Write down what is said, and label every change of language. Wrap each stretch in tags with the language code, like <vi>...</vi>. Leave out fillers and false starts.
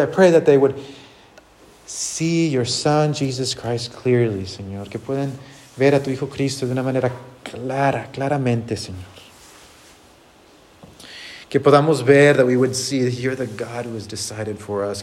<en>I pray that they would see your Son, Jesus Christ, clearly, Señor.</en> <es>Que puedan ver a tu Hijo Cristo de una manera clara, claramente, Señor. Que podamos ver,</es> <en>that we would see that you're the God who has decided for us.</en>